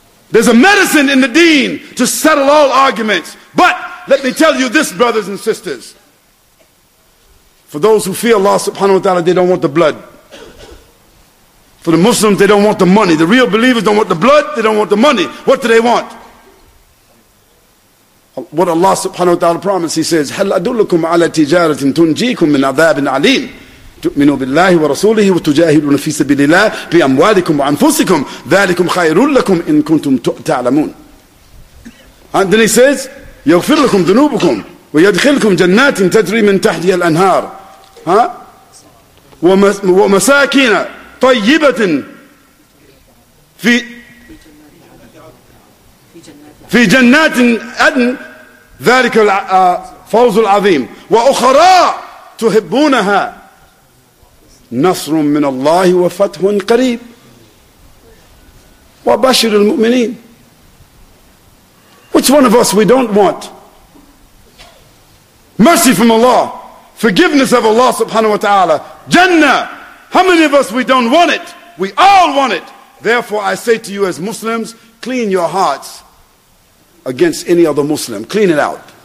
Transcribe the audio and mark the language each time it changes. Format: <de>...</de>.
<en>There's a medicine in the deen to settle all arguments. But let me tell you this, brothers and sisters. For those who fear Allah subhanahu wa ta'ala, they don't want the blood. For the Muslims, they don't want the money. The real believers don't want the blood, they don't want the money. What do they want? What Allah subhanahu wa ta'ala promised, He says,</en> <ar>هَلْ أَدُلُّكُمْ عَلَى تِجَارَةٍ تُنْجِيكُمْ مِنْ عَذَابٍ عَلِيمٍ تؤمنوا بالله ورسوله وتجاهدون في سبيل الله بأموالكم وأنفسكم ذلك خير لكم إن كنتم تعلمون.</ar> <en>And then he says,</en> <ar>يغفر لكم ذنوبكم ويدخلكم جنات تجري من تحتها الأنهار. Huh? ومساكن طيبة في جنات أدن ذلك الفوز العظيم وأخرى تحبونها نَصْرٌ مِّنَ اللَّهِ وَفَتْحٌ قَرِيبٌ وَبَشِّرِ الْمُؤْمِنِينَ.</ar> <en>Which one of us we don't want? Mercy from Allah, forgiveness of Allah subhanahu wa ta'ala, Jannah. How many of us we don't want it? We all want it. Therefore I say to you as Muslims, clean your hearts against any other Muslim. Clean it out.</en>